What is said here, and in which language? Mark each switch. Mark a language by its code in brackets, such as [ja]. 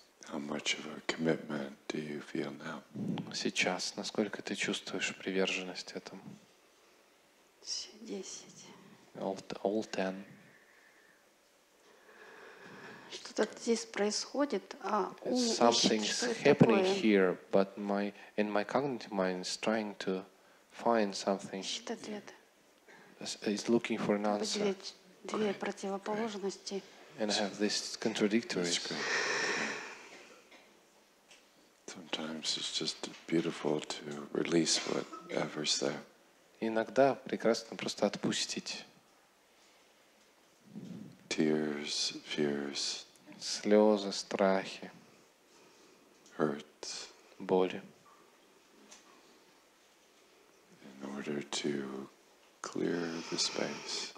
[en] How much of a commitment do you feel now? [ru] Сейчас, насколько ты чувствуешь приверженность этому? Все 10. [en] All 10. [ru] Что-то здесь происходит, а ум [en] Something's happening here, but my cognitive mind is trying to find something. [ru] Ищет ответ. [en] It's looking for an answer. [ru] Две противоположности. [en] And I have this contradictory. Sometimes it's just beautiful to release whatever's there. [ru] Иногда прекрасно просто отпустить. [en] Tears, fears. [ru] Слезы, страхи. [en] Hurts. [ru] Боли. [en] In order to clear the space.